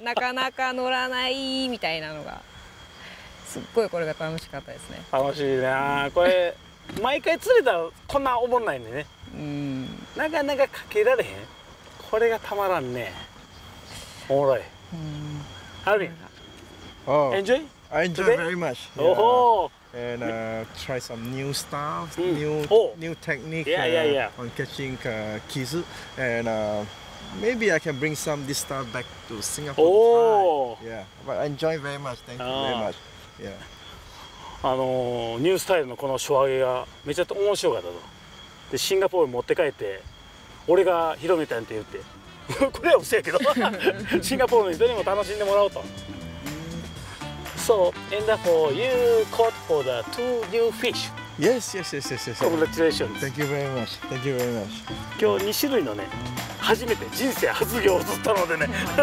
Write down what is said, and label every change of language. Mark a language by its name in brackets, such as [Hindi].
[Japanese] なかなか乗らないみたいなのがすっごい、これが楽しかったですね。楽しいな、うん、これ毎回釣れたらこんなおもんないんでね。なかなかかけられへん。これがたまらんね。おもろい。ハルビン、エンジョイ。 [English] エンジョイ very much、 yeah. And try some new stuff, new technique, yeah. on catching kizu, and maybe I can bring some of this stuff back to Singapore. Yeah, but I enjoy very much. Thank you very much. Yeah. [Japanese] ニュースタイルのこの手上げがめちゃ面白かったと。でシンガポール持って帰って、俺が広めたんって言って、これは嘘やけど、シンガポールの人にも楽しんでもらおうと。 [English] So, and therefore, you caught for the two new fish. Yes. Congratulations. Thank you very much. [Japanese] 今日2種類のね、初めて人生初魚を釣ったのでね。